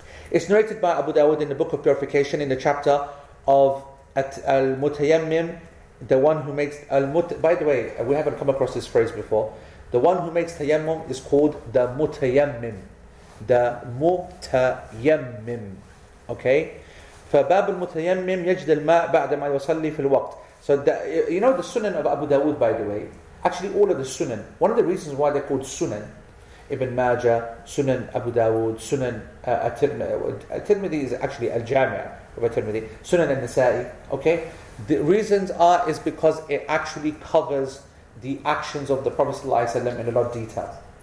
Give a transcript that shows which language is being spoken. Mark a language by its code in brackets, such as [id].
[en] It's narrated by Abu Dawud in the Book of Purification in the chapter of Al-Mutayammim, the one who makes... By the way, we haven't come across this phrase before. The one who makes tayammum is called the Mutayammim. The Mutayammim. Okay? [ar] فباب المتيمم يجد الماء بعدما يصلي في الوقت. [en] So the, you know the Sunan of Abu Dawud, by the way, actually all of the Sunan, one of the reasons why they're called Sunan, Ibn Majah, Sunan Abu Dawud, Sunan At-Tirmidhi is actually Al-Jami' of At-Tirmidhi, Sunan Al-Nisa'i, okay? The reasons are is because it actually covers the actions of the Prophet Sallallahu Alaihi Wasallam in a lot of detail.